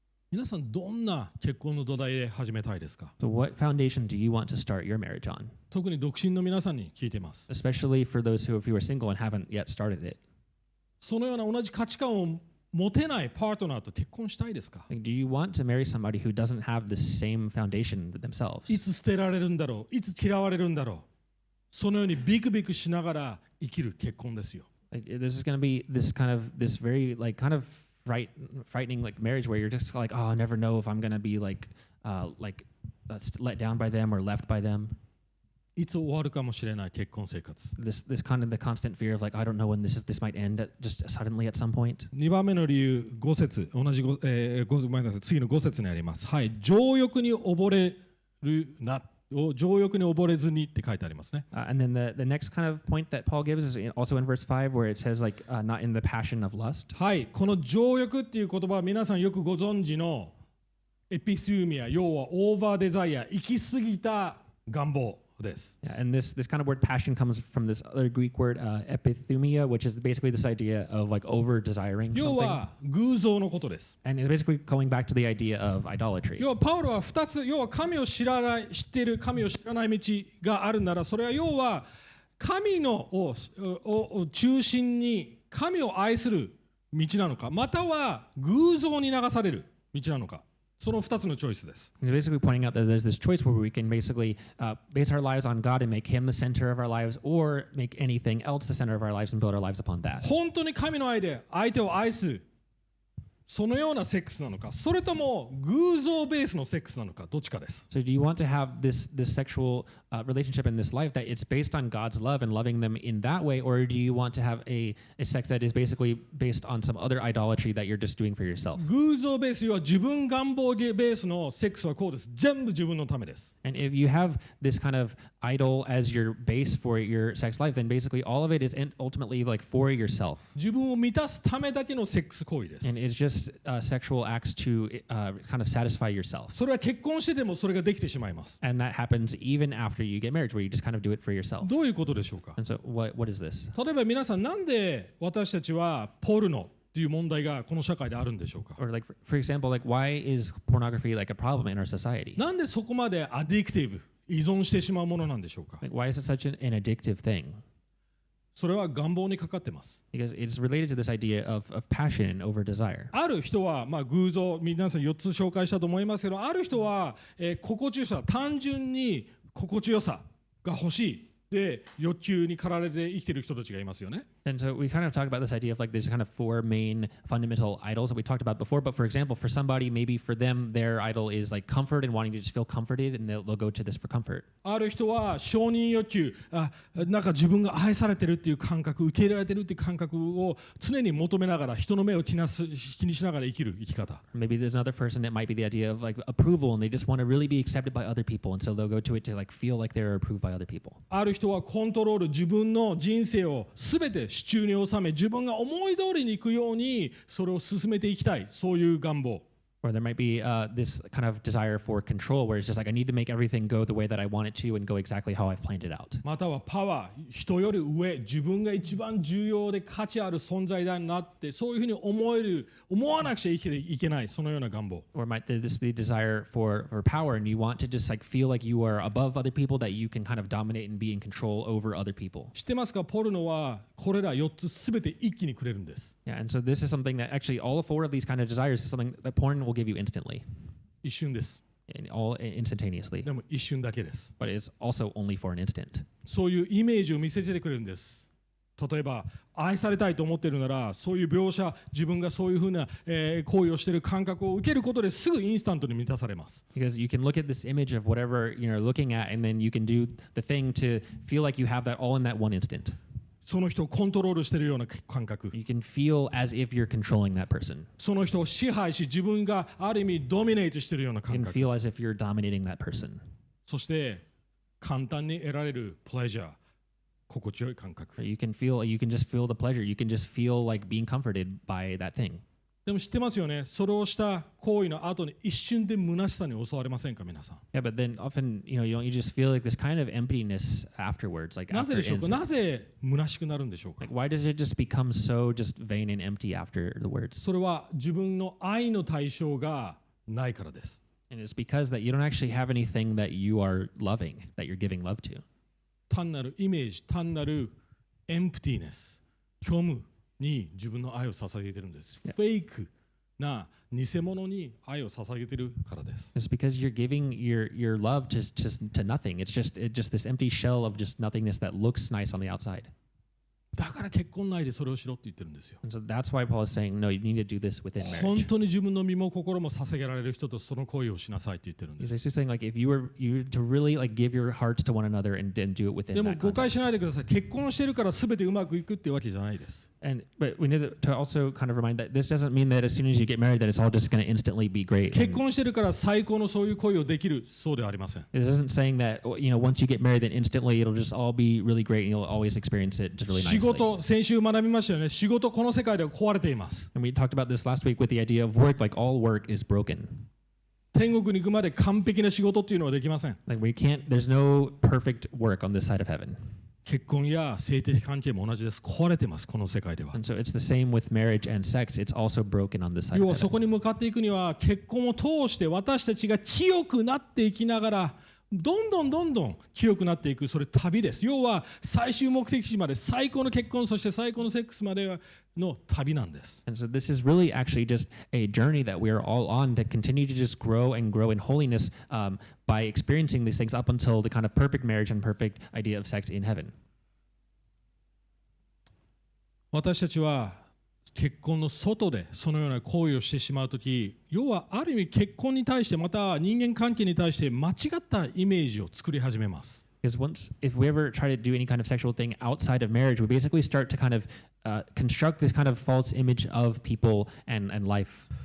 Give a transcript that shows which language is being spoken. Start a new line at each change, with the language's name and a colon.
Japanese: 皆さんどんな結婚の土台で始めたいですか
English: ？So what foundation do you want to start your marriage on?
Japanese: 特に独身の皆さんに聞いてます。
English: Especially for those who, if you are single and haven't yet started it.
Japanese: そのような同じ価値観を持てないパートナーと結婚したいですか
English: ？Do you want to marry somebody who doesn't have the same foundation themselves?
Japanese: いつ捨てられるんだろう？いつ嫌われるんだろう？そのようにビクビクしながら生きる結婚ですよ。
English: This is going to be this kind of this very like kind of. Frightening like marriage where you're just like, oh, I never know if I'm going to be like let down by them or left by them.
Japanese: It's 終わるかもしれない結婚生活
English: This kind of the constant fear of like, I don't know when this might end at, just suddenly at some point.
Japanese: 2番目の理由、5節、同じ5、次の5節にあります。はい、情欲に溺れるな情欲に溺れずにって書いてありますね。
English: And then the next kind of point that Paul gives is also in verse 5 where it says like not in the passion of lust.
Japanese: はい、この情欲っていう言葉は皆さんよくご存知のエピスーミア、要はオーバーデザイア、行き過ぎた願望。
English: Yeah, and this kind of word passion comes from this other Greek word epithumia, which is basically this idea of like over desiring something.
Japanese: 要は偶像のことです。
English: And it's basically going back to the idea of idolatry.
Japanese: 要はパウロは二つ、要は神を知らない、知ってる神を知らない道があるなら、それは要は神のを中心に神を愛する道なのか、または偶像に流される道なのか。その2つのチョイスです。
English: He's basically pointing out that there's this choice where we can basically base our lives on God and make Him the center of our lives, or make anything else the center of our lives and build our lives upon that.
Japanese: 本当に神の愛で相手を愛す、そのようなセックスなのか、それとも偶像ベースのセックスなのか、どっちかです。
English: So do you want to have this sexual relationship in this life that it's based on God's love and loving them in that way, or do you want to have a sex that is basically based on some other idolatry that you're just doing for yourself?
Japanese: 偶像ベース、要は自分願望ベースのセックスはこうです。全部自分のためです。
English: And if you have this kind of idol as your base for your sex life, then basically all of it is ultimately like for yourself.
Japanese: 自分を満たすためだけのセックス行為です。
English: And it's justsexual acts to kind of satisfy yourself.
Japanese: それは結婚しててもそれができてしまいます。
English: And that happens even after you get married, where you just kind of do it for yourself.
Japanese: どういうことでしょうか?
English: And so, what is this?
Japanese: 例えば皆さん、なんで私たちはポルノっていう問題がこの社会であるんでしょうか?
English: Or like, for example, like, why is pornography like a problem in our society?
Japanese: なんでそこまでアディクティブ、依存してしまうものなんでしょうか?
English: Like, why is it such an addictive thing?
Japanese: それは願望にかかってます。
English: Because it's related to this idea of passion and over desire.
Japanese: ある人は、まあ、偶像、皆さん4つ紹介したと思いますけど、ある人は、心地よさ、単純に心地よさが欲しい。で、欲求に駆られて生きている人たちがいますよね。
English: And so we kind of talked about this idea of like there's kind of four main fundamental idols that we talked about before. But for example, for somebody, maybe for them, their idol is like comfort and wanting to just feel comforted, and they'll go to this for comfort.
Japanese: ある人は承認欲求、なんか自分が愛されてるっていう感覚、受け入れられてるっていう感覚を常に求めながら、人の目を気にしながら生きる生き方。
English: Maybe there's another person that might be the idea of like approval, and they just want to really be accepted by other people, and so they'll go to it to like feel like they're approved by other people.
Japanese: ある人はコントロール、自分の人生をすべて手中に収め、自分が思い通りに行くようにそれを進めていきたい、そういう願望。
English: Or there might be this kind of desire for control, where it's just like I need to make everything go the way that I want it to and go exactly how I've planned it out.
Japanese: またはパワー、人より上、自分が一番重要で価値ある存在だなって、そういうふうに思わなくちゃいけない、そのような願望。
English: Or might this be desire for power, and you want to just like feel like you are above other people, that you can kind of dominate and be in control over other people.
Japanese: 知ってますか、ポルノはこれら4つすべて一気にくれるんです。
English: Yeah, and so this is something that actually all four of these kind of desires is something that porn will give you instantly.
Japanese: 一瞬です。
English: And all instantaneously.
Japanese: でも一瞬だけです。
English: But it's also only for an instant.
Japanese: そういうイメージを見せてくれるんです。例えば、愛されたいと思っているなら、そういう描写、自分がそういうふうな、行為をしている感覚を受けることですぐインスタントに満たされます。
English: Because you can look at this image of whatever you're looking at, and then you can do the thing to feel like you have that all in that one instant.
Japanese: その人をコントロールしているような感覚。
English: You can feel as if you're controlling that person.
Japanese: その人を支配し、自分がある意味ドミネートしているような感覚。
English: You can feel as if you're dominating that person.
Japanese: そして、簡単に得られる pleasure、心地よい感覚。
English: You can feel, you can just feel the pleasure. You can just feel like being comforted by that thing.
Japanese: でも知ってますよね。それをした行為の後に一瞬で虚しさに襲われませんか、皆さん。
English: Yeah, but then often, you know, you just feel like this kind of emptiness afterwards, like after it ends.
Japanese: なぜ虚しくなるんでしょうか。
English: Like, why does it just become so just vain and empty after the words?
Japanese: それは自分の愛の対象がないからです。
English: And it's because that you don't actually have anything that you are loving, that you're giving love to.
Japanese: 単なるイメージ、単なる emptiness、虚無。に自分の愛を捧げてるんです。Yeah. フェイクな偽物に愛を捧げてるからです。
English: It's because you're giving your love to nothing. It's just this empty shell of just nothingness that looks nice on the outside.
Japanese: だから結婚内でそれをしろって言ってるんですよ。
English: And so that's why Paul is saying, no, you need to do this within marriage.
Japanese: 本当に自分の身も心も捧げられる人とその行為をしなさいって言ってるんです。
English: He's just saying like if you were to really like give your hearts to one another and then do it within that context.
Japanese: でも誤解しないでください。結婚してるからすべてうまくいくってわけじゃないです。
English: And but we need to also kind of remind that this doesn't mean that as soon as you get married that it's all just going to instantly be great.
Japanese: 結婚してるから最高のそういう恋をできるそうではありません。
English: It isn't saying that you know once you get married then instantly it'll just all be really great and you'll always experience it really nicely.
Japanese: 仕事先週学びましたよね。仕事この世界では壊れています。
English: And we talked about this last week with the idea of work like all work is broken.
Japanese: 天国に行くまで完璧な仕事っていうのはできません。
English: Like we can't, there's no perfect work on this side of heaven.
Japanese: 結婚や性的関係も同じです。壊れてます、この世界では。
English: And so it's the same with marriage and sex. It's also broken on this side.
Japanese: 要はそこに向かっていくには、結婚を通して私たちが清くなっていきながら、どんどんどんどん清くなっていく、それ旅です。要は最終目的地まで、最高の結婚、そして最高のセックスまでの旅なんです。
English: And so this is really actually just a journey that we are all on to continue to just grow and grow in holiness, by experiencing these things up until the kind of perfect marriage and perfect idea of sex in heaven.
Japanese: 私たちは結婚の外でそのような行為をしてしまうとき、要はある意味結婚に対してまた人間関係に対して間違ったイメージを作り始めます。
English: Because once, if we ever try to do any kind of sexual thing outside of marriage, we basically start to kind of construct this kind of false image of people and life.